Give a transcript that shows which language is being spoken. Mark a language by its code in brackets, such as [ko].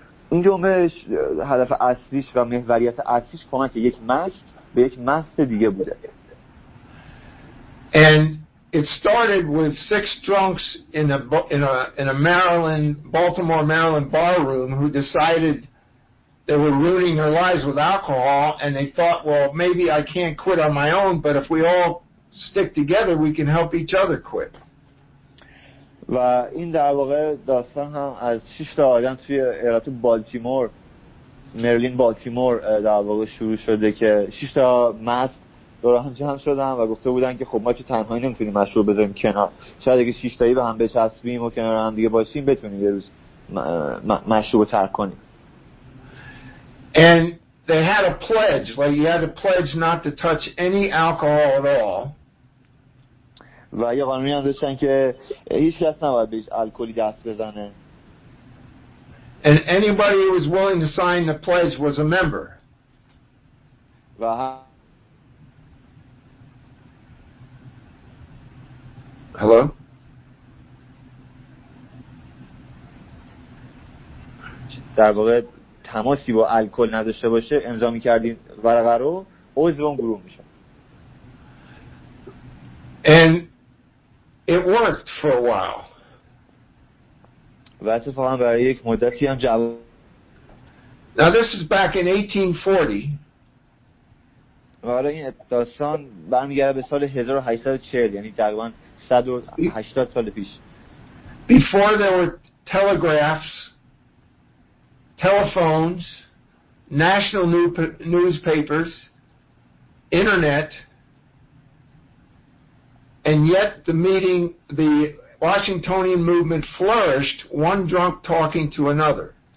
[fa] این جنبش هدف اصلیش و محوریت اصلیش کمک یک مست به یک مست دیگه بوده. [en] And it started with six drunks in a Maryland, Baltimore, Maryland bar room who decided they were ruining their lives with alcohol, and they thought, well, maybe I can't quit on my own, but if we all stick together, we can help each other quit. [fa] و این در واقع داستان هم از 6 تا آدم توی ایالت بالتیمور، مریلند بالتیمور در واقع شروع شده که 6 تا مست دور هم جمع شدن و گفته بودن که خب ما که تنهایی نمیتونیم مشروب بذاریم کنار، شاید اگه 6 تایی به هم بچسبیم و کنار هم دیگه باشیم بتونیم یه روز مشروب رو ترک کنیم. [en] And they had a pledge, like you had a pledge not to touch any alcohol at all. [fa] و یه قانونی هم داشتن که هیچ کس نباید به الکلی دست بزنه. [en] And anybody who was willing to sign the pledge was a member. [fa] و [en] Hello? [fa] در واقع تماسی با الکل نداشته باشه امضا می‌کردین ورقه رو، عضو اون گروه میشه. [en] And it worked for a while. [fa] و اتفاقا برای یک مدتی هم جواب. [en] Now this is back in 1840. [fa] و این داستان برمیگرده به سال 1840، یعنی تقریبا 180 سال پیش. [en] Before there were telegraphs, telephones, national newspapers, internet, and yet the Washingtonian movement flourished, one drunk talking to another.